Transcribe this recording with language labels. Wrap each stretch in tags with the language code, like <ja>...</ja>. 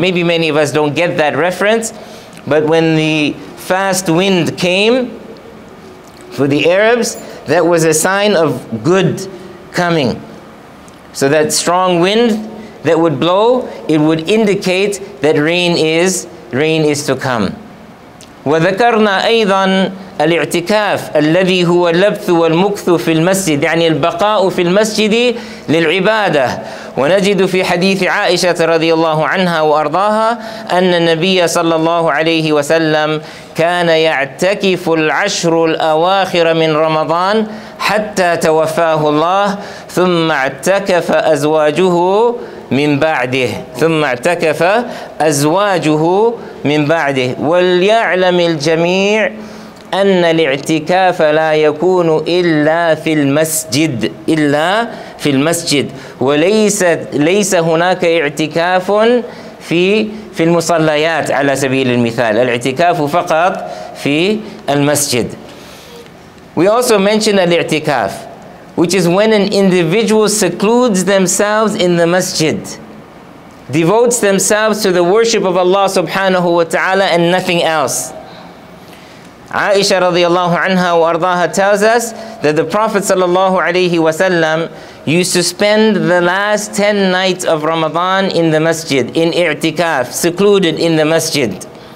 <en>Maybe many of us don't get that reference, but when the fast wind came for the Arabs, that was a sign of good coming. So that strong wind that would blow, it would indicate that rain is to come.</en> <ar>وَذَكَرْنَا أَيْضًا الْإِعْتِكَافِ الَّذِي هُوَ اللَّبْثُ وَالْمُكْثُ فِي الْمَسْجِدِ، يعني البقاء في المسجد للعبادة. ونجد في حديث عائشة رضي الله عنها وأرضاها أن النبي صلى الله عليه وسلم كان يعتكف العشر الأواخر من رمضان حتى توفاه الله، ثم اعتكف أزواجه من بعده، ثم اعتكف أزواجه من بعده. وليعلم الجميع أن الاعتكاف لا يكون إلا في المسجد، إلا في المسجد، وليس هناك اعتكاف في المصليات على سبيل المثال. الاعتكاف فقط في المسجد.</ar> <en>We also mention الاعتكاف, which is when an individual secludes themselves in the masjid, devotes themselves to the worship of Allah subhanahu wa ta'ala and nothing else. عائشة</en> <ar>رضي الله عنها وأرضاها</ar> <en>tells us that the Prophet</en> <ar>صلى الله عليه وسلم</ar> <en>used to spend the last 10 nights of Ramadan in the masjid, in i'tikaf, secluded in the masjid.</en>